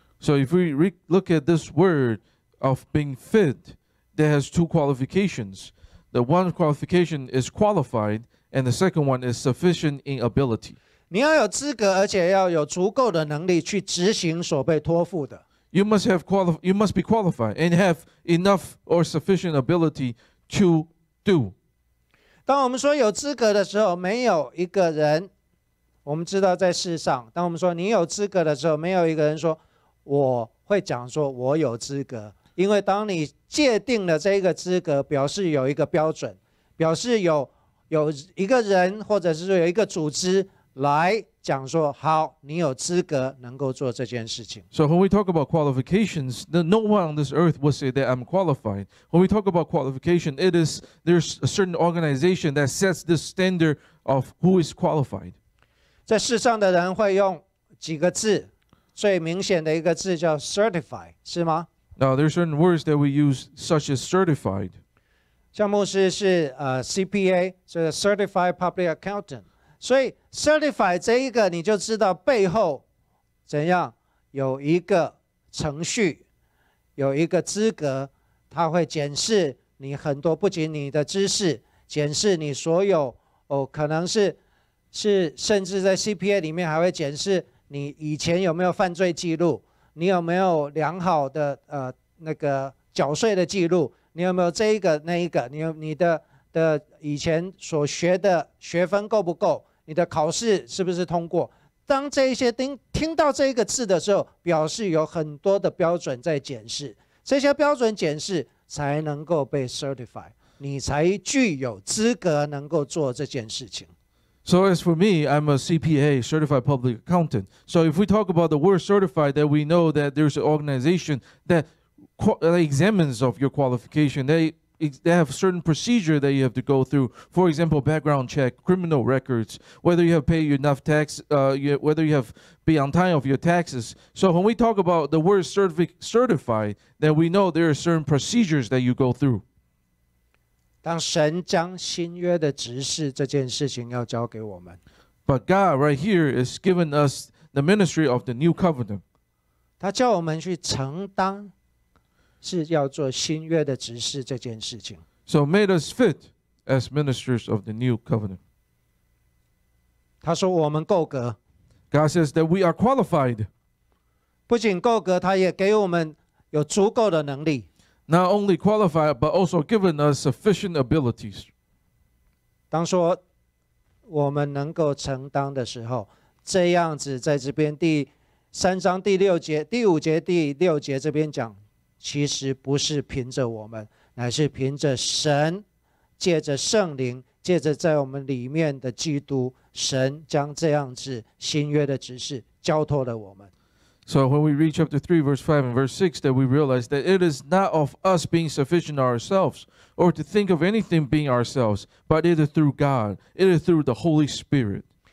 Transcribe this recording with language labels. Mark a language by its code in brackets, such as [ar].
[en] So if we look at this word of being fit, that has two qualifications. The one qualification is qualified, and the second one is sufficient in ability. [zh] 你要有资格，而且要有足够的能力去执行所被托付的。 [en] You must have you must be qualified and have enough or sufficient ability to do. [zh] 当我们说有资格的时候，没有一个人，我们知道在世上，当我们说你有资格的时候，没有一个人说我会讲说我有资格，因为当你界定了这个资格，表示有一个标准，表示 有一个人或者是有一个组织来讲说好，你有资格能够做这件事情。 [en] So when we talk about qualifications, no one on this earth will say that I'm qualified. When we talk about qualification, it is there's a certain organization that sets the standard of who is qualified. [zh] 在世上的人会用几个字，最明显的一个字叫 certify， 是吗？ [en] Now there are certain words that we use such as certified. [zh] 像牧师是CPA， 是 [en] Certified Public Accountant。 [zh] 所以 certify 这一个，你就知道背后怎样有一个程序，有一个资格，它会检视你很多，不仅你的知识，检视你所有哦，可能是甚至在 CPA 里面还会检视你以前有没有犯罪记录，你有没有良好的那个缴税的记录，你有没有这一个那一个，你的以前所学的学分够不够。你的考试是不是通过？当这些听到这个字的时候，表示有很多的标准在检视，这些标准检视才能够被 certify， 你才具有资格能够做这件事情。 [en] So as for me, I'm a CPA, Certified Public Accountant. So if we talk about the word certified, that we know that there's an organization that examines of your qualification. They have certain procedure that you have to go through. For example, background check, criminal records, whether you have paid enough tax, whether you have been on time of your taxes. So when we talk about the word certified, then we know there are certain procedures that you go through. [zh] 当神将新约的执事这件事情要交给我们。 [en] But God right here is giving us the ministry of the new covenant. [zh] 他叫我们去承担是要做新约的执事这件事情。 [en] So made us fit as ministers of the new covenant. [zh] 他说我们够格。 [en] God says that we are qualified. [zh] 不仅够格，他也给我们有足够的能力。 [en] Not only qualified, but also given us sufficient abilities. [zh] 当说我们能够承担的时候，这样子在这边第三章第六节、第五节、第六节这边讲。其实不是凭着我们，乃是凭着神，借着圣灵，借着在我们里面的基督，神将这样子新约的执事交托了我们。 [en] So when we read chapter 3, verse 5 and verse 6, that we realize that it is not of us being sufficient ourselves, or to think of anything being ourselves, but it is through God, it is through the Holy Spirit.